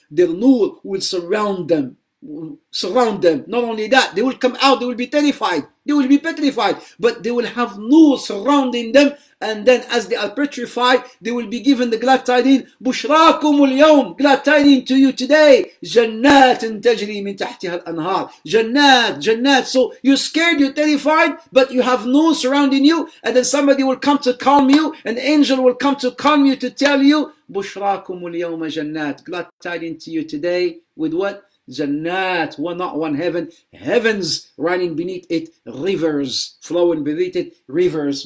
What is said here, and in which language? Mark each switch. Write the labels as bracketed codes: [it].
[en] Their nur will surround them. Surround them. Not only that, they will come out, they will be terrified. They will be petrified. But they will have nur surrounding them. And then as they are petrified, they will be given the glad tidings. [ar] بشراكم اليوم. [en] Glad tidings to you today. [ar] جنات تجري من تحتها الأنهار. جنات, جنات. [en] So you're scared, you're terrified, but you have nur surrounding you. And then somebody will come to calm you. An angel will come to calm you to tell you. [ar] بشراكم اليوم جنات. [en] Glad tidings to you today. With what? Jannat, one not one heaven, heavens running beneath it, rivers flowing beneath it, rivers.